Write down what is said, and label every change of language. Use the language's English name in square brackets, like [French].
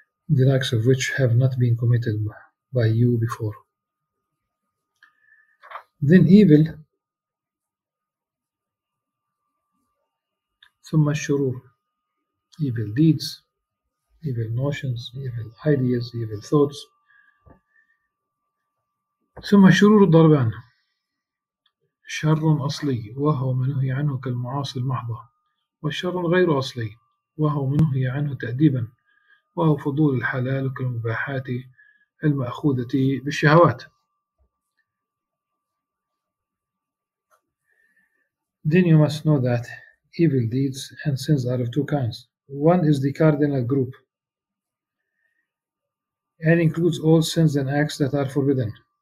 [English] The likes of which have not been committed by you before. Then evil, [Arabic] ثم الشرور, [English] evil deeds, evil notions, evil ideas, evil thoughts. [Arabic] ثم الشرور الضربان, شر أصلي وهو منهي عنه كالمعاصي المحضة, والشر غير أصلي وهو منهي عنه تأديبا, وهو فضول الحلال كالمباحات المأخوذة بالشهوات. [English] Then you must know that evil deeds and sins are of two kinds. One is the cardinal group and includes all sins and acts that are forbidden.